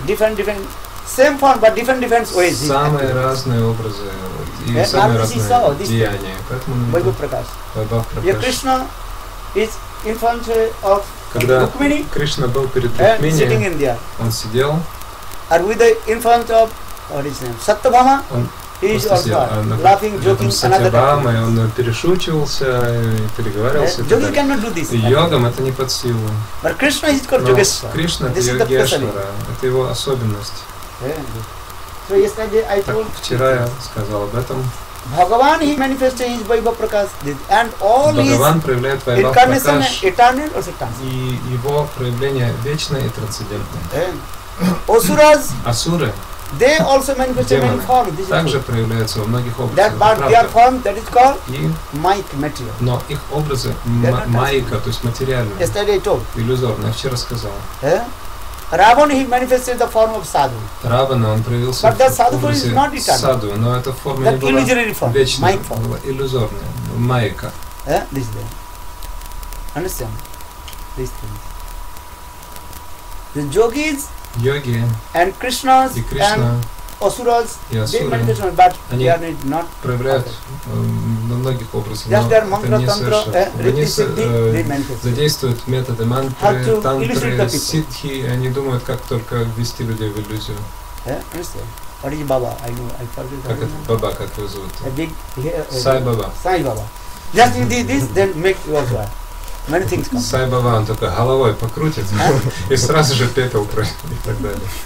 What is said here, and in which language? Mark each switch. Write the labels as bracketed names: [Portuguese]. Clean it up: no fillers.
[English] Different. Same form, but different ways. [Russian] Самые разные образы и самые разные деяния. Как мы видим? Бхагапракаш. Кришна [English] is in front of Рукмини. [Russian] Когда Кришна был перед Рукмини, он сидел. [English] А with the in front of what is name? [Russian] Саттабхама. [English] He is also laughing, joking, another. [Russian] Саттабхама, он перешучивался, переговаривался. [English] Йоги cannot do this. [Russian] Йогам это не под силу. [English] But Krishna is called Yogeshwara. [Russian] Кришна это Йогешвара. Это его особенность. [English] So yesterday I told. [Russian] Так, вчера я сказал об этом. [English] Bhagavan he manifests his Vaibhaprakash and all his. [Russian] Bhagavan проявляет [English] Vaibhaprakash. Eternal or [Russian] transcendental. И его проявление вечное и трансцендентное. [English] Asuras. [Russian] Асуры. [English] They also manifest in many forms. [Russian] Также проявляются во многих образах. [English] That but their form that is called Maya material. [Russian] Но их образы майка, то есть материальные. [English] Yesterday I told. [Russian] Иллюзорные. Я вчера сказал. [English] Ravan he manifested the form of sadhu. [Russian] Ravana он проявился. [English] But that sadhu is not eternal. [Russian] Sadhu, но это форма [English] that [Russian] не была [English] form, [Russian] вечная, [English] form. [Russian] Была иллюзорная, майка. [English] This thing. Understand? This thing. The yogis. [Russian] Йоги. [English] And Krishnas. [Russian] И Кришна. [English] And asuras. They manifest, but they are not. [Russian] Проявляют на многих образах. [English] Just their mantra, tantra, ritual, they manifest. [Russian] Задействуют методы мантры, тантры, ситхи, и они думают, как только ввести людей в иллюзию. [English] What is Baba? I know. I forget. [Russian] Как это Баба, как его зовут? [English] A big. [Russian] Сай Баба. Сай Баба. [English] Just you did this, then make your way. Many things come. [Russian] Сай Баба, он только головой покрутит и сразу же пепел пройдет и так далее.